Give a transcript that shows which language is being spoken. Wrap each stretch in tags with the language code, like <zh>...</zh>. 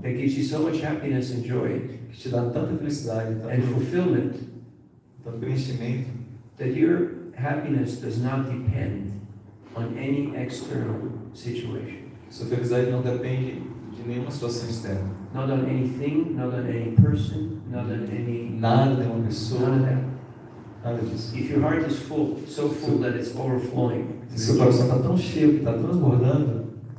<en>that gives you so much happiness and joy,</en> <pt>que te dá tanta felicidade, tanto,</pt> <en>and fulfillment,</en> <pt>tanto preenchimento,</pt> <en>that your happiness does not depend on any external situation.</en> <pt>Sua felicidade não depende de nenhuma situação externa.</pt> <en>Not on anything, not on any person, not on any.</en> <pt>Nada de uma pessoa.</pt> <en>None of that.</en> <pt>Nada disso.</pt> <en>If your heart is full, so full that it's overflowing.</en> <pt>Se seu coração está tão cheio que está transbordando,</pt>